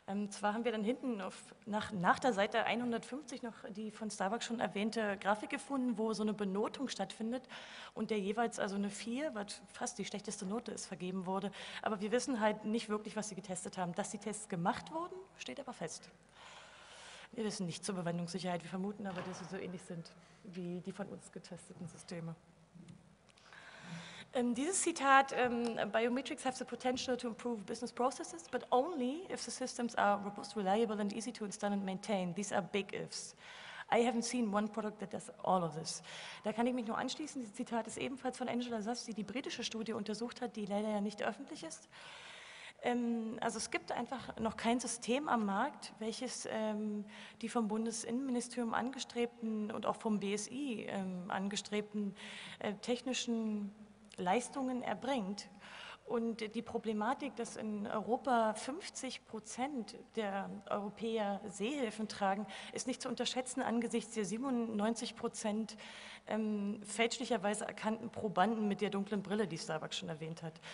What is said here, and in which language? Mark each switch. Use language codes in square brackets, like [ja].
[de] Zwar haben wir dann hinten nach der Seite 150 noch die von Starbucks schon erwähnte Grafik gefunden, wo so eine Benotung stattfindet und der jeweils also eine 4, was fast die schlechteste Note ist, vergeben wurde. Aber wir wissen halt nicht wirklich, was sie getestet haben. Dass die Tests gemacht wurden, steht aber fest. Wir wissen nicht zur Überwindungssicherheit. Wir vermuten aber, dass sie so ähnlich sind wie die von uns getesteten Systeme. Dieses Zitat, [en] biometrics have the potential to improve business processes, but only if the systems are robust, reliable and easy to install and maintain. These are big ifs. I haven't seen one product that does all of this. [de] Da kann ich mich nur anschließen. Dieses Zitat ist ebenfalls von Angela Sass, die die britische Studie untersucht hat, die leider ja nicht öffentlich ist. Also es gibt einfach noch kein System am Markt, welches die vom Bundesinnenministerium angestrebten und auch vom BSI angestrebten technischen Leistungen erbringt, und die Problematik, dass in Europa 50% der Europäer Sehhilfen tragen, ist nicht zu unterschätzen angesichts der 97% fälschlicherweise erkannten Probanden mit der dunklen Brille, die Starbucks schon erwähnt hat.